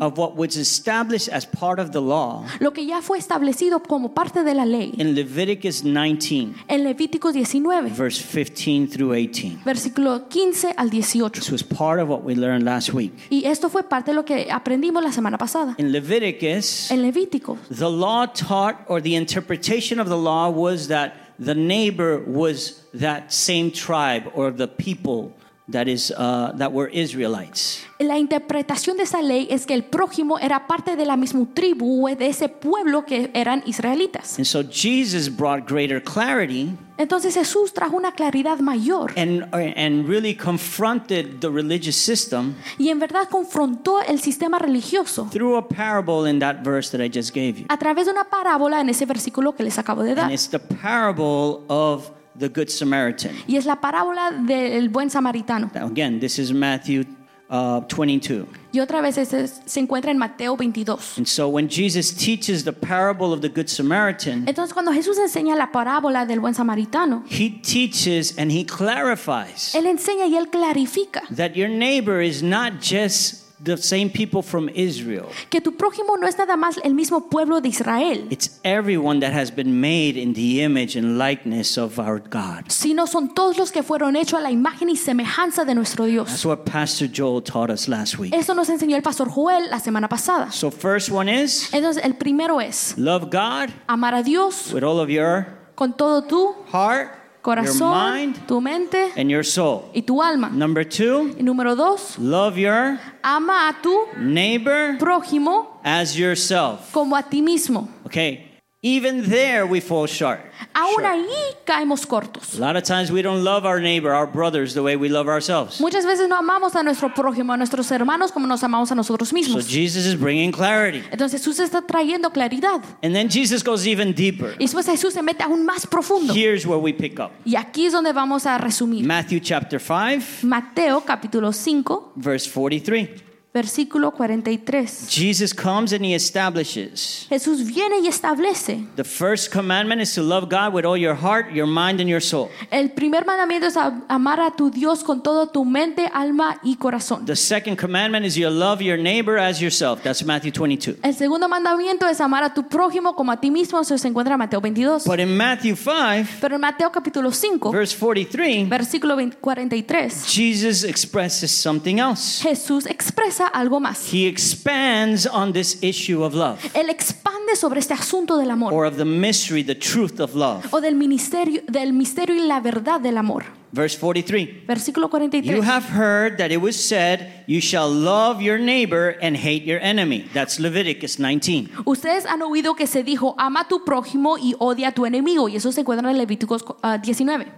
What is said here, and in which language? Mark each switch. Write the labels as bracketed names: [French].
[English] of what was established as part of the law, [Spanish] lo que ya fue establecido como parte de la ley, [English] in Leviticus 19, [Spanish] en Levítico 19, [English] verse 15 through 18, [Spanish] versículo 15 al 18. [English] This was part of what we learned last week. [Spanish] Y esto fue parte de lo que aprendimos la semana pasada. [English] In Leviticus, [Spanish] en Levítico, [English] the law taught, or the interpretation of the law, was that the neighbor was that same tribe or the people that is that were Israelites. [Spanish] La interpretación de esa ley es que el prójimo era parte de la misma tribu o de ese pueblo que eran israelitas. [English] And so Jesus brought greater clarity. [Spanish] Entonces Jesús trajo una claridad mayor. [English] And really confronted the religious system. [Spanish] Y en verdad confrontó el sistema religioso. [English] Through a parable in that verse that I just gave you. [Spanish] A través de una parábola en ese versículo que les acabo de dar. [English] And it's the parable of the good Samaritan. [Spanish] Y es la parábola del buen samaritano. [English] Now again, this is Matthew 22. [Spanish] Y otra vez se encuentra en Mateo 22. [English] And so when Jesus teaches the parable of the good Samaritan, [Spanish] entonces cuando Jesús enseña la parábola del buen samaritano, [English] he teaches and he clarifies, [Spanish] él enseña y él clarifica, [English] that your neighbor is not just the same people from Israel. [Spanish] Que tu prójimo no es nada más el mismo pueblo de Israel. [English] It's everyone that has been made in the image and likeness of our God. [Spanish] Sino son todos los que fueron hechos a la imagen y semejanza de nuestro Dios. [English] That's what Pastor Joel taught us last week. [Spanish] Eso nos enseñó el Pastor Joel la semana pasada. [English] So first one is, [Spanish] entonces el primero es, [English] love God, [Spanish] amar a Dios, [English] with all of your, [Spanish] con todo tu [English] heart, [Spanish] corazón, [English] your mind, [Spanish] tu mente, [English] and your soul, [Spanish] y tu alma. [English] Number two, [Spanish] y número dos, [English] love your, [Spanish] ama a tu [English] neighbor, [Spanish] prójimo, [English] as yourself, [Spanish] como a ti mismo. [English] Okay, even there we fall short. [Spanish] Aún ahí caemos cortos. [English] A lot of times we don't love our neighbor, our brothers, the way we love ourselves. [Spanish] Muchas veces no amamos a nuestro prójimo, a nuestros hermanos, como nos amamos a nosotros mismos. [English] So Jesus is bringing clarity. [Spanish] Entonces Jesús está trayendo claridad. [English] And then Jesus goes even deeper. [Spanish] Y después Jesús se mete aún más profundo. [English] Here's where we pick up. [Spanish] Y aquí es donde vamos a resumir. [English] Matthew chapter 5. [Spanish] Mateo capítulo 5. [English] Verse 43. [Spanish] Versículo 43. [English] Jesus comes and he establishes. [Spanish] Jesús viene y establece. [English] The first commandment is to love God with all your heart, your mind, and your soul. [Spanish] El primer mandamiento es amar a tu Dios con toda tu mente, alma y corazón. [English] The second commandment is you love your neighbor as yourself. That's Matthew 22. [Spanish] El segundo mandamiento es amar a tu prójimo como a ti mismo. Eso se encuentra en Mateo 22. [English] But in Matthew 5, [Spanish] pero en Mateo capítulo 5, [English] verse 43, [Spanish] versículo 43, [English] Jesus expresses something else. [Spanish] Jesús expresa algo más. [English] He expands on this issue of love. [Spanish] Él expande sobre este asunto del amor. [English] Or of the mystery, the truth of love. [Spanish] O del misterio y la verdad del amor. [English] Verse 43. [Spanish] Versículo 43. [English] You have heard that it was said, you shall love your neighbor and hate your enemy. That's Leviticus 19. [Spanish] Ustedes han oído que se dijo, ama a tu prójimo y odia a tu enemigo. Y eso se encuentra en Levíticos 19.